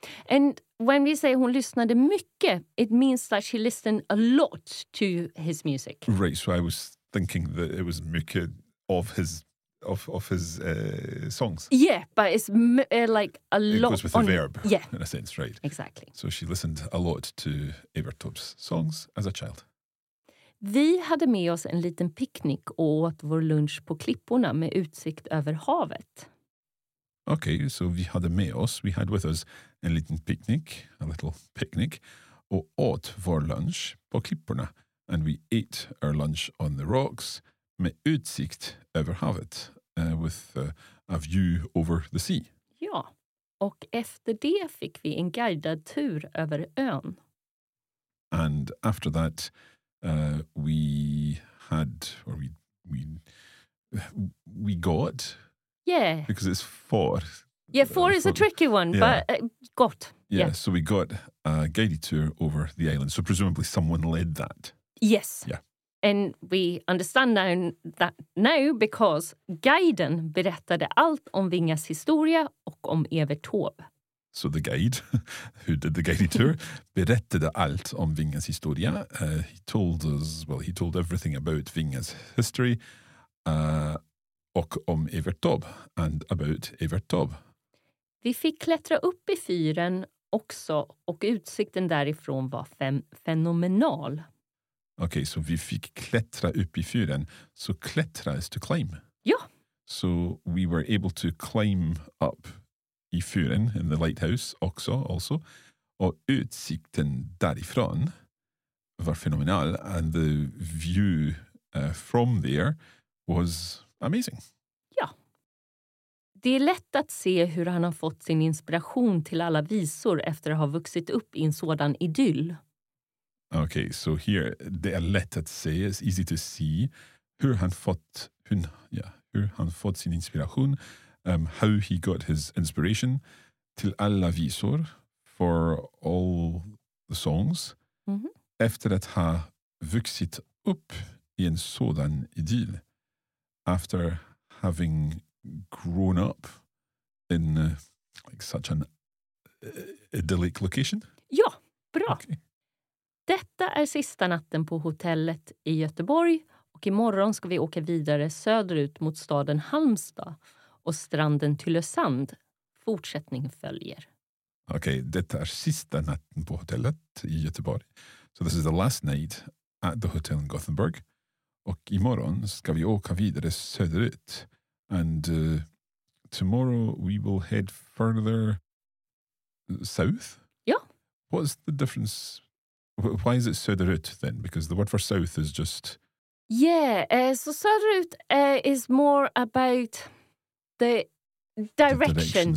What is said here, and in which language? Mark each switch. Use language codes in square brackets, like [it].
[en] And when we say [sv] hon lyssnade mycket, [en] it means that she listened a lot to his music. Right, so I was thinking that it was mycket of his songs. Yeah, but it's like a lot. It goes with the verb, yeah, in a sense, right? Exactly. So she listened a lot to Evert Taubes songs as a child. [sv] Vi hade med oss en liten picknick och åt vår lunch på klipporna med utsikt över havet. [en] Okay, so we had with us [sv] en liten picnic, [en] a little picnic, [sv] och åt vår lunch på klipporna. [en] And we ate our lunch on the rocks [sv] med utsikt över havet, [en] with a view over the sea. [sv] Ja, och efter det fick vi en guidad tur över ön. [en] And after that, we got. Yeah. Because it's four. Yeah, four is a tricky one, yeah. But got. Yeah, yeah, so we got a guided tour over the island. So presumably someone led that. Yes. Yeah. And we understand that now because [sv] guiden berättade allt om Vingas historia och om Evert Taube. [en] So the guide, who did the guided tour, [sv] berättade allt om Vingas historia. [en] He told everything about Vingas history [sv] och om Evert Taube [en] and about Evert Taube. [sv] Vi fick klättra upp i fyren också och utsikten därifrån var fenomenal. [en] Okay, so [sv] vi fick klättra upp i fyren. [en] So klättra is to climb. [sv] Ja. [en] So we were able to climb up [sv] i fyren [en] in the lighthouse [sv] också. Och utsikten därifrån [en] var phenomenal, and the view from there was amazing. [sv] Ja. Det är lätt att se hur han har fått sin inspiration till alla visor efter att ha vuxit upp i en sådan idyll. [en] Okay, so here [sv] det är lätt att se, [en] it's easy to see [sv] hur han fått hur han fått sin inspiration, [en] how he got his inspiration [sv] till alla visor [en] for all the songs. [sv] Mm-hmm. Efter att ha vuxit upp i en sådan idyll, [en] after having grown up in like such an idyllic location. [sv] Ja, bra. Okay. Detta är sista natten på hotellet i Göteborg och imorgon ska vi åka vidare söderut mot staden Halmstad och stranden Tylösand. Fortsättning följer. Okay, detta är sista natten på hotellet i Göteborg. [en] So this is the last night at the hotel in Gothenburg. [sv] Och imorgon ska vi åka vidare söderut. [en] And tomorrow we will head further south? [sv] Ja. [en] What's the difference? Why is it söderut then? Because the word for south is just... Yeah, so söderut is more about the direction.